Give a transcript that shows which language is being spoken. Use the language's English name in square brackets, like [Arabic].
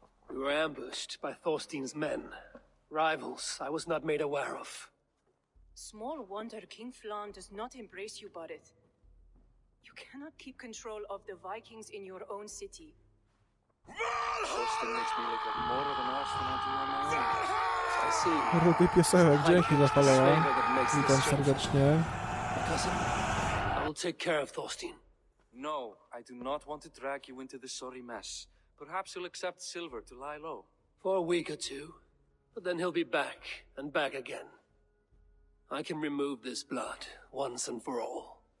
[English] We were ambushed by Thorstein's men. Rivals I was not made aware of. Small wonder King Flan does not embrace you, Barith. You cannot keep control of the Vikings in your own city. Thorstein makes me look like more of an arse than I do on my own. I see. [Polish] Kurde, ty piosenek, dzięki za palenie. Witam serdecznie. [English] Cousin, I will take care of Thorstein. No, I do not want to drag you into this sorry mess. Perhaps he'll accept silver to lie low. For a week or two. But then he'll be back, and back again. I can remove this blood, once and for all.